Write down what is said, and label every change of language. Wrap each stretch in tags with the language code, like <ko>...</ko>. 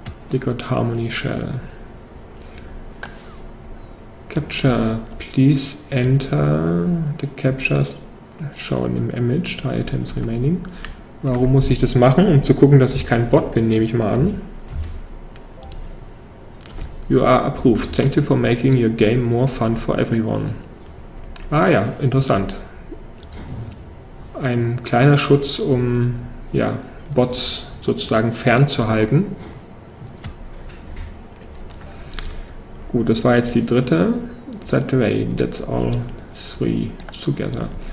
<en>Liquid Harmony Shell. Capture, please enter the captures.</en> <de>Schauen im Image, 3 Items remaining. Warum muss ich das machen? Um zu gucken, dass ich kein Bot bin, nehme ich mal an.</de> <en>You are approved. Thank you for making your game more fun for everyone.</en> <de>Ah ja, interessant. Ein kleiner Schutz, um ja, Bots sozusagen fernzuhalten. Gut, das war jetzt die dritte.</de> <en>That way, that's all three together.</en>